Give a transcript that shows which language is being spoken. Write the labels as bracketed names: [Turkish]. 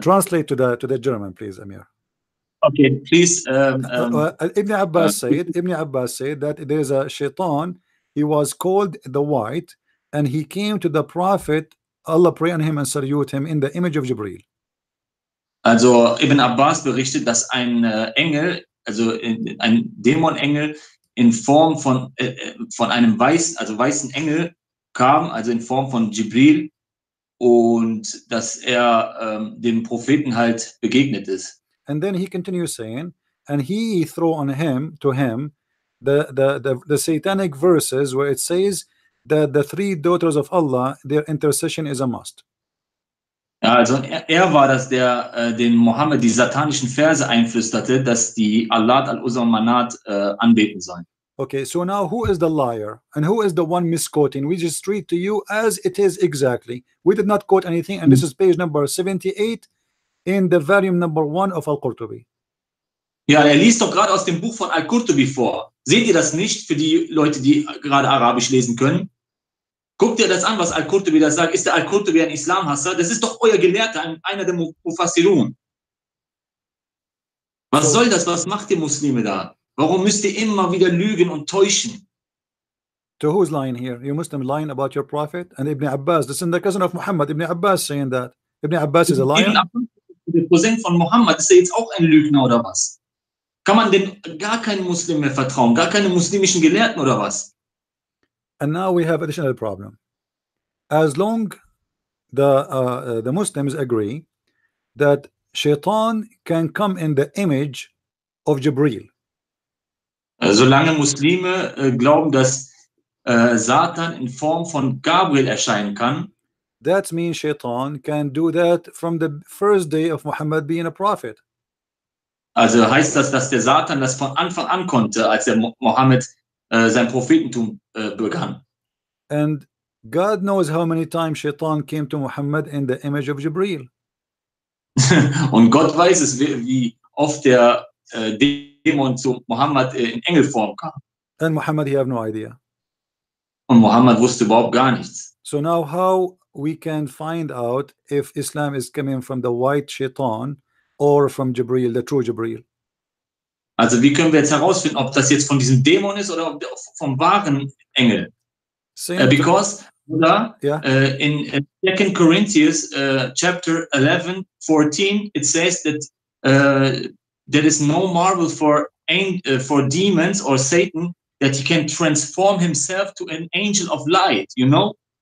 [English] Translate to the German, please, Amir. Okay, please. Ibn Abbas said that there is a shaitan, he was called the white, and he came to the prophet, Allah pray on him and salute him, in the image of Jibreel. [German] Also Ibn Abbas berichtet, dass ein Engel, also ein Dämonengel in Form von einem weißen Engel kam, also in Form von Jibril, und dass er dem Propheten halt begegnet ist. [English] And then he continues saying, and he threw on him, to him, the satanic verses where it says that the three daughters of Allah, their intercession is a must. [German] Ja, also er war das, der den Mohammed die satanischen Verse einflüsterte, dass die Allat al-Uzza Manat anbeten sollen. [English] Okay, so now who is the liar and who is the one misquoting? We just read to you as it is exactly. We did not quote anything, and this is page number 78 in the volume number 1 of Al-Qurtubi. [German] Ja, er liest doch gerade aus dem Buch von Al-Qurtubi vor. Seht ihr das nicht, für die Leute, die gerade Arabisch lesen können? Guckt ihr das an, was Al-Qurtubi da sagt? Ist der Al-Qurtubi ein Islamhasser? Das ist doch euer Gelehrter, einer der Mufassirun. Was soll das? Was macht ihr Muslime da? Warum müsst ihr immer wieder lügen und täuschen? [English] To who's lying here? You Muslim lying about your prophet? And Ibn Abbas, this is the cousin of Muhammad. Ibn Abbas saying that. Ibn Abbas is a liar. [German] Ibn Abbas, der Cousin von Muhammad, ist er jetzt auch ein Lügner oder was? Kann man denn gar keinen Muslim mehr vertrauen? Gar keine muslimischen Gelehrten oder was? [English] And now we have additional problem. As long the Muslims agree that Shaitan can come in the image of Jibreel. [German] Solange Muslime glauben, dass Satan in Form von Gabriel erscheinen kann, [English] that means Shaitan can do that from the first day of Muhammad being a prophet. [German] Also heißt das, dass der Satan das von Anfang an konnte, als er Mohammed sein Prophetentum begann. [English] And God knows how many times Shaitan came to Muhammad in the image of Jibreel. [German] Und Gott weiß es, wie oft der Dämon zu Muhammad in Engelform kam. [English] And Muhammad, he had no idea. [German] Und Muhammad wusste überhaupt gar nichts. [English] So now how we can find out if Islam is coming from the white Shaitan or from Jibreel, the true Jibreel? [German] Also wie können wir jetzt herausfinden, ob das jetzt von diesem Dämon ist oder vom wahren Engel? [English] In 2 Corinthians chapter 11, 14, it says that there is no marvel for demons or Satan that he can transform himself to an angel of light, you know?